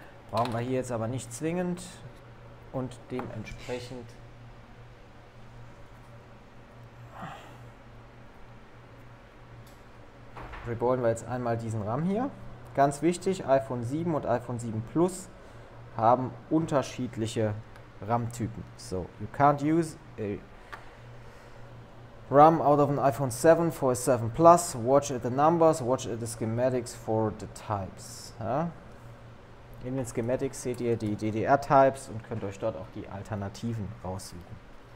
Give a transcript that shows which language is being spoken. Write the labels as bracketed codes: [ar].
[de] Brauchen wir hier jetzt aber nicht zwingend und dementsprechend rebohren wir jetzt einmal diesen RAM hier. Ganz wichtig, iPhone 7 und iPhone 7 Plus haben unterschiedliche RAM-Typen. [en] So, you can't use a RAM out of an iPhone 7 for a 7 Plus, watch at the numbers, watch at the schematics for the types. [de] Ja? In den Schematics seht ihr die DDR-Types und könnt euch dort auch die Alternativen raussuchen.